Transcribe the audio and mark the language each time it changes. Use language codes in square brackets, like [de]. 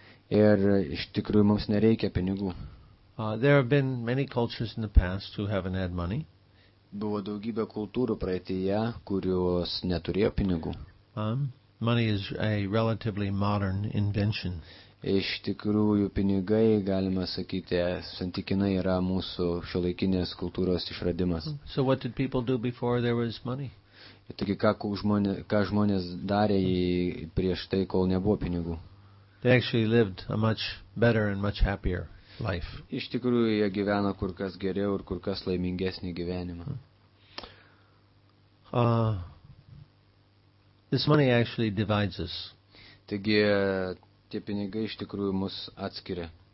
[lt] Ir iš tikrųjų mums nereikia pinigų. [en] There have been many cultures in the past who haven't had money. [lt] Buvo daugybė kultūrų praeityje, kurios neturėjo pinigų. [en] Money is a relatively modern invention. [lt] Iš tikrųjų pinigai, galima sakyti, santykinai yra mūsų šiolaikinės kultūros išradimas. [en] So what did people do before there was money? [lt] Taigi, ką žmonės darė prieš tai, kol nebuvo pinigų? [en] They actually lived a much better and much happier life. [lt] Iš tikrųjų, jie gyveno kur kas geriau ir kur kas laimingesnį gyvenimą. [en] This money actually divides us. [lt] Taigi, tie pinigai iš tikrųjų mus atskiria.